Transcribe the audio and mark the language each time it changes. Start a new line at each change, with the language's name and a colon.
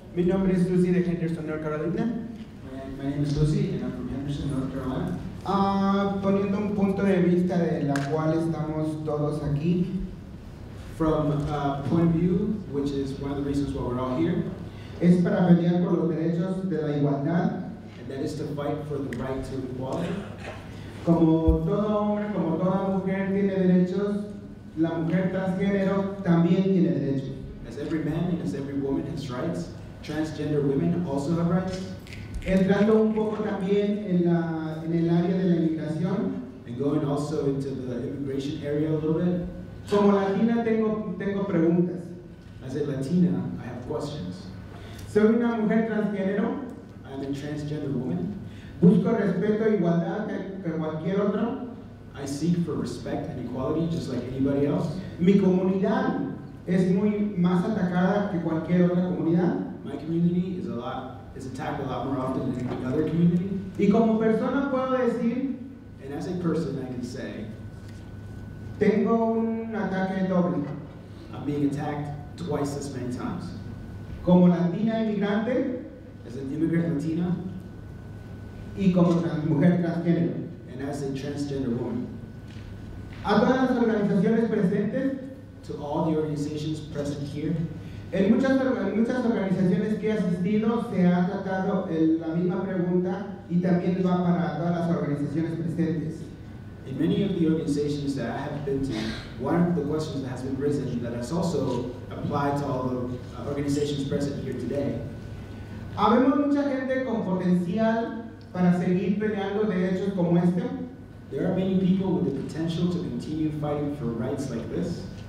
Spanish: Mi nombre es Lucy de Henderson, North Carolina.
English: And my name is Lucy, and I'm from Henderson, North Carolina.
Spanish: Poniendo un punto de vista de la cual estamos todos aquí.
English: From a point of view, which is one of the reasons why we're all here.
Spanish: Es para pelear por los derechos de la igualdad.
English: And that is to fight for the right to equality.
Spanish: Como todo hombre, como toda mujer tiene derechos, la mujer transgénero también tiene derechos.
English: As every man and as every woman has rights, transgender women also have rights.
Spanish: Entrando un poco también en el área de la inmigración.
English: And going also into the immigration area a little bit.
Spanish: Como latina tengo preguntas.
English: As a Latina, I have questions.
Spanish: Soy una mujer transgénero.
English: I'm a transgender woman.
Spanish: Busco respeto e igualdad que cualquier otro.
English: I seek for respect and equality just like anybody else.
Spanish: Mi comunidad es muy más atacada que cualquier otra comunidad.
English: My community is attacked a lot more often than any other community.
Spanish: Y como persona puedo decir,
English: and as a person I can say,
Spanish: tengo un ataque doble.
English: I'm being attacked twice as many times.
Spanish: Como latina inmigrante,
English: as an immigrant latina,
Spanish: y como mujer transgénero,
English: and as a transgender woman.
Spanish: A todas las organizaciones presentes,
English: to all the organizations present here,
Spanish: en muchas organizaciones que he asistido se ha tratado la misma pregunta y también va para todas las organizaciones presentes.
English: In many of the organizations that I have been to, one of the questions that has been risen that has also applied to all the organizations present here today.
Spanish: Habemos mucha gente con potencial para seguir peleando derechos como este.
English: There are many people with the potential to continue fighting for rights like this.